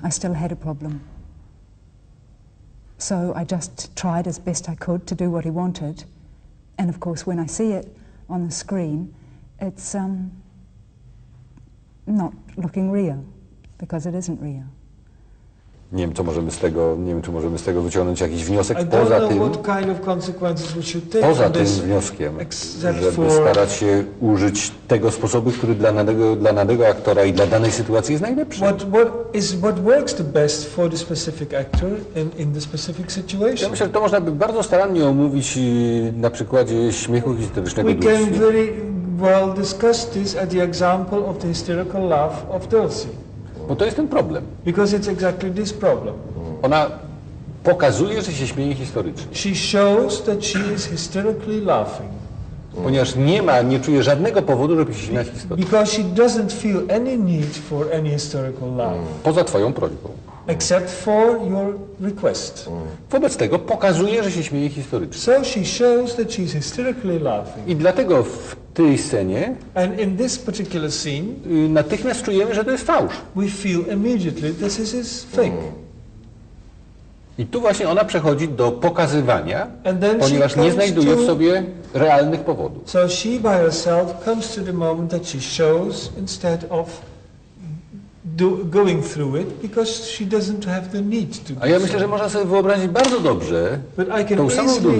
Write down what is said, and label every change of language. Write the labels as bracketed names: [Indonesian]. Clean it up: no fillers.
[English] I still had a problem. So I just tried as best I could to do what he wanted. And of course, when I see it on the screen, it's not looking real, because it isn't real. [Polish] Nie wiem, co możemy z tego, nie wiem, czy możemy z tego wyciągnąć jakiś wniosek poza tym. [English] What kind of consequences we should take [Polish] poza tym wnioskiem, żeby starać się użyć tego sposobu, który dla danego aktora i dla danej sytuacji jest najlepszy. [English] What works the best for the specific actor in the specific situation? [Polish] Ja myślę, że to można by bardzo starannie omówić na przykładzie śmiechu historycznego. [English] We can very well discuss this at the example of the hysterical laugh of Dulcy. [Polish] Bo to jest ten problem. [English] Because it's exactly this problem. [Polish] Ona pokazuje, że się śmieje historycznie. [English] She shows that she is hysterically laughing. [Polish] Ponieważ nie czuje żadnego powodu, żeby się śmiać historycznie. [English] Because she doesn't feel any need for any historical laugh. [Polish] Poza twoją prośbą. [English] Except for your request. [Polish] Wobec tego pokazuje, że się śmieje historycznie. [English] So she shows that she is hysterically laughing. [Polish] I dlatego w tej scenie [English] and in this particular scene, [Polish] natychmiast czujemy, że to jest fałsz. [English] We feel immediately this is fake. [Polish] I tu właśnie ona przechodzi do pokazywania, ponieważ nie znajduje w sobie realnych powodów. [English] So she by herself comes to the moment that she shows instead of going through it, because she doesn't have the need to. [Polish] A ja myślę, że można sobie wyobrazić bardzo dobrze tą samą